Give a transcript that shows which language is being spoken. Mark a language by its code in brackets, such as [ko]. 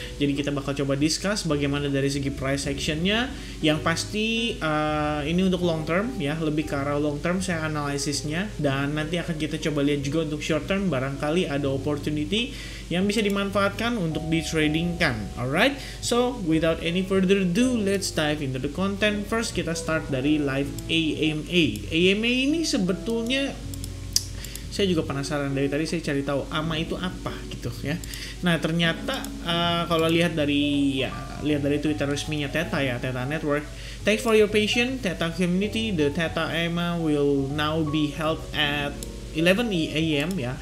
[id] Jadi kita bakal coba discuss bagaimana dari segi price actionnya. Yang pasti ini untuk long term ya, lebih ke arah long term saya analisisnya. Dan nanti akan kita coba lihat juga untuk short term, barangkali ada opportunity yang bisa dimanfaatkan untuk di trading kan. [en] Alright, so without any further ado, let's dive into the content. [id] First kita start dari live AMA. AMA ini sebetulnya saya juga penasaran dari tadi, saya cari tahu AMA itu apa gitu ya. Nah ternyata kalau lihat dari ya lihat dari Twitter resminya Theta ya, Theta Network, [en] thanks for your patience Theta community, the Theta AMA will now be held at 11 AM ya.